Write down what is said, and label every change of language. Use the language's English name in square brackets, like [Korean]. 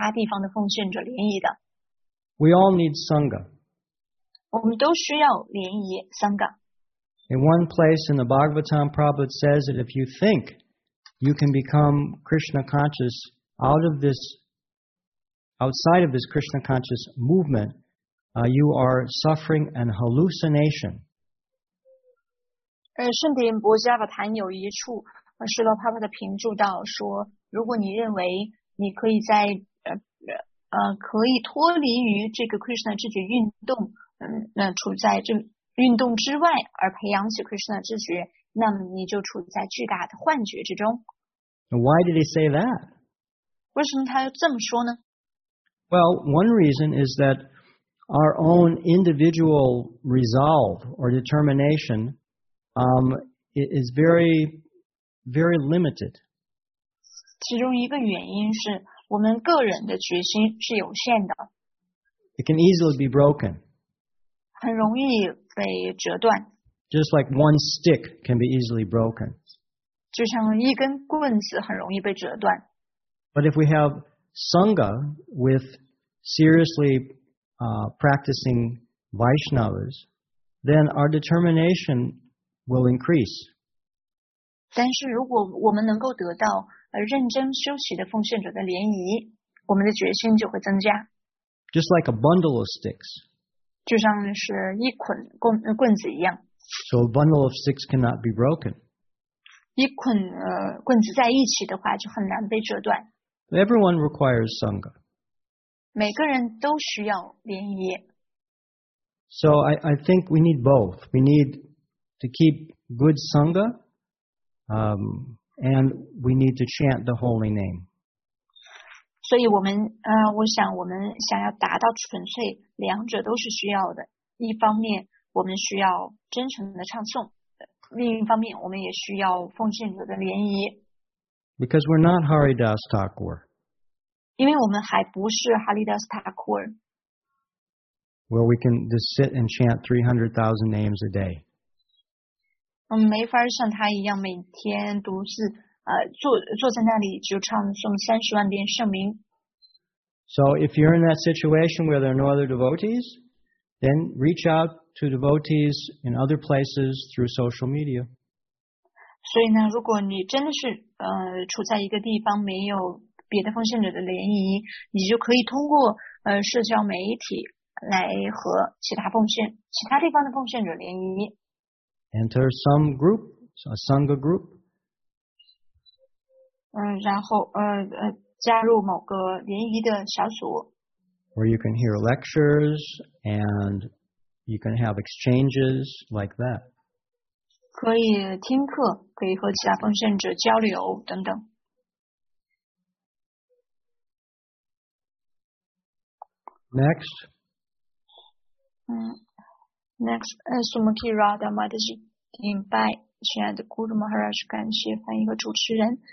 [Chinese] 我无法理解您说的没有一个奉献者联谊这种情况，因为在这个网络时代，即便你自己一个人处在比较边远的地方，身边没有任何的奉献者联谊，但是凭借社交媒体网络平台，你也可以和其他地方的奉献者联谊的。 [English] We all need Sangha. [Chinese] 我们都需要联谊Sangha。 [English] In one place in the Bhagavatam, Prabhupada says that if you think you can become Krishna conscious outside of this Krishna conscious movement, you are suffering an hallucination. [Chinese] 圣典伯加法坛有一处施罗帕帕的评注到说，如果你认为你可以在可以脱离于这个 Krishna 知觉运动，处在这运动之外而培养起 Krishna 知觉，那么你就处在巨大的幻觉之中。 [English] Why did he say that? [Chinese] 为什么他这么说呢？ [English] Well, one reason is that our own individual resolve or determination, is very, very limited. [Chinese] 其中一个原因是我们个人的决心是有限的。 [English] It can easily be broken. [Chinese] 很容易被折断。 [English] Just like one stick can be easily broken. [Chinese] 就像一根棍子很容易被折断。 [English] But if we have Sangha with seriously, practicing Vaishnavas, then our determination will increase. [Chinese] 但是如果我们能够得到认真修习的奉献者的联谊，我们的决心就会增加。 [English] Just like a bundle of sticks. [Chinese] 就像是一捆棍子一样。 [English] So a bundle of sticks cannot be broken. [Chinese] 一捆棍子在一起的话就很难被折断。 [English] Everyone requires Sangha. [Chinese] 每个人都需要联谊。 [English] So I think we need both. We need to keep good Sangha, and we need to chant the holy name. [Chinese] 所以我们我想我们想要达到纯粹，两者都是需要的。一方面我们需要真诚的唱诵，另一方面我们也需要奉献者的联谊。 [English] Because we're not Haridas Thakur. [Chinese] 因为我们还不是 Haridas Thakur. [English] Well, we can just sit and chant 300,000 names a day. [Chinese] 我们没法像他一样每天独自坐在那里就唱诵300,000遍圣名。 [English] So if you're in that situation where there are no other devotees, then reach out to devotees in other places through social media. [Chinese] 所以呢，如果你真的是处在一个地方没有别的奉献者的联谊，你就可以通过社交媒体来和其他地方的奉献者联谊。 [English] Enter some group, a Sangha group. [Chinese] 然后加入某个联谊的小组。 [English] Where you can hear lectures and you can have exchanges like that. [Chinese] 可以听课，可以和其他奉献者交流等等。 [English] Next. Next, Sumati Radha Madhaji. [Chinese] 敬拜，亲爱的 Guru Maharaj， 感谢翻译和主持人。